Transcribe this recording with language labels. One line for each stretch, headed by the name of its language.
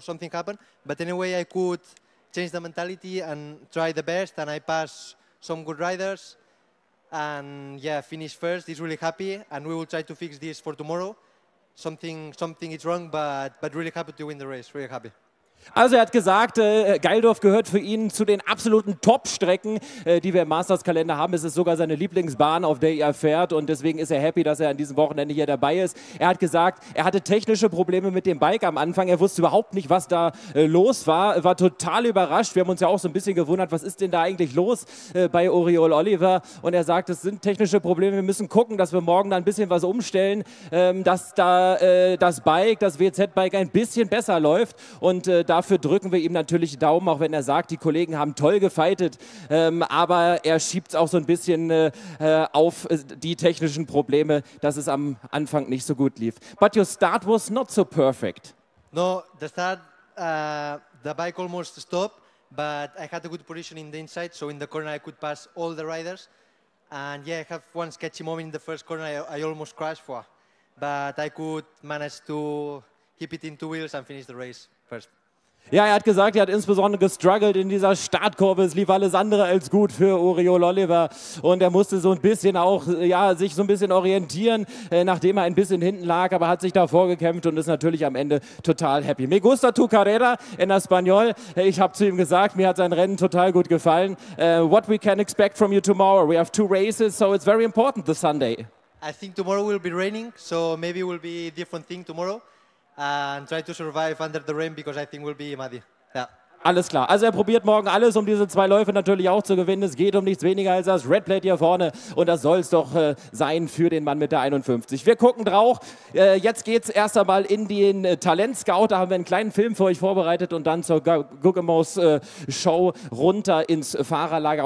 English: Something happened, but anyway, I could change the mentality and try the best. And I passed some good riders, and yeah, finished first. He's really happy, and we will try to fix this for tomorrow. Something is wrong, but really happy to win the race. Really happy.
German: Also er hat gesagt, Geildorf gehört für ihn zu den absoluten Top-Strecken, die wir im Masters-Kalender haben. Es ist sogar seine Lieblingsbahn, auf der er fährt und deswegen ist er happy, dass er an diesem Wochenende hier dabei ist. Er hat gesagt, er hatte technische Probleme mit dem Bike am Anfang. Er wusste überhaupt nicht, was da los war. Er war total überrascht. Wir haben uns ja auch so ein bisschen gewundert, was ist denn da eigentlich los bei Oriol Oliver? Und er sagt, es sind technische Probleme. Wir müssen gucken, dass wir morgen da ein bisschen was umstellen, dass da das Bike, das WZ-Bike ein bisschen besser läuft und dafür drücken wir ihm natürlich Daumen, auch wenn er sagt, die Kollegen haben toll gefightet, aber er schiebt es auch so ein bisschen auf die technischen Probleme, dass es am Anfang nicht so gut lief.
English: But your start was not so perfect. No, the start, the bike almost stopped, but I had a good position in the inside, so in the corner I could pass all the riders. And yeah, I have one sketchy moment in the first corner I almost crashed for, but I could manage to keep it in two wheels and finish the race first.
German: Ja, er hat gesagt, er hat insbesondere gestruggelt in dieser Startkurve. Es lief alles andere als gut für Oriol Oliver. Und er musste so ein bisschen auch, ja, sich so ein bisschen orientieren, nachdem er ein bisschen hinten lag, aber hat sich da vorgekämpft und ist natürlich am Ende total happy.
Spanish: Me gusta tu carrera en español.
German: Ich habe zu ihm gesagt, mir hat sein Rennen total gut gefallen.
English: What we can expect from you tomorrow? We have two races, so it's very important, the Sunday. I think tomorrow will be raining, so maybe it will be a different thing tomorrow. And try to survive under the rain because I think we'll be muddy. Yeah.
German: Alles klar. Also er probiert morgen alles, um diese zwei Läufe natürlich auch zu gewinnen. Es geht um nichts weniger als das Red Plate hier vorne. Und das soll es doch sein für den Mann mit der 51. Wir gucken drauf. Jetzt geht es erst einmal in den Talentscout. Da haben wir einen kleinen Film für euch vorbereitet. Und dann zur Guggemos-Show runter ins Fahrerlager.